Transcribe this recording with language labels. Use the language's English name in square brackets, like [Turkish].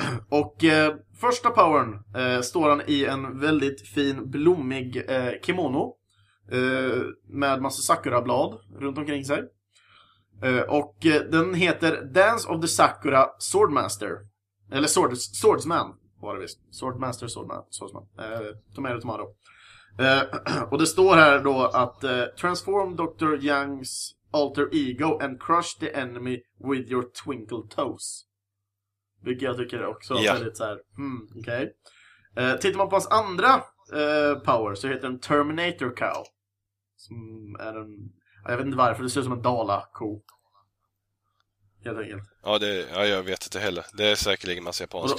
[Swedish] Och första powern står han i en väldigt fin blommig kimono med massa sakura blad runt omkring sig. Och den heter Dance of the Sakura Swordmaster. Eller Swordsman var det visst. Swordmaster, Swordsman. [English] Tomato, tomato. [Swedish] Och det står här då att [English] transform Dr. Youngs alter ego and crush the enemy with your twinkle toes. [Swedish] Vilket jag tycker också är väldigt såhär, okej. Tittar man på hans andra power så heter den Terminator Cow. Som är en, jag vet inte varför, det ser ut som en dala-ko. Helt enkelt. Ja, det, ja, jag vet inte heller. Det är säkerligen massa japanska